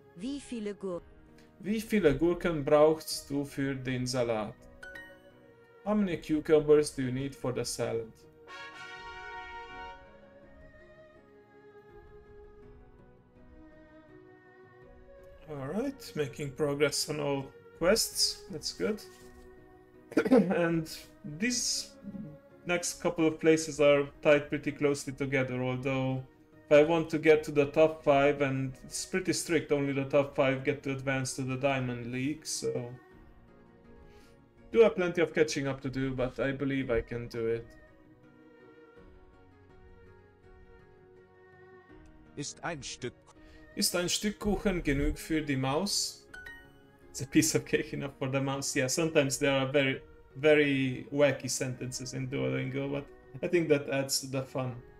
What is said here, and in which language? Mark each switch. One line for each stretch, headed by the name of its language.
German: Wie viele Gurken brauchst du für den Salat?
English: How many cucumbers do you need for the salad? Alright, making progress on all quests, that's good. And these next couple of places are tied pretty closely together, although if I want to get to the top 5, and it's pretty strict, only the top 5 get to advance to the Diamond League, so... do have plenty of catching up to do, but I believe I can do it.
German: Ist ein Stück Kuchen genug für die Maus?
English: Is a piece of cake enough for the mouse? Yeah, sometimes there are very, very wacky sentences in Duolingo, but I think that adds to the fun.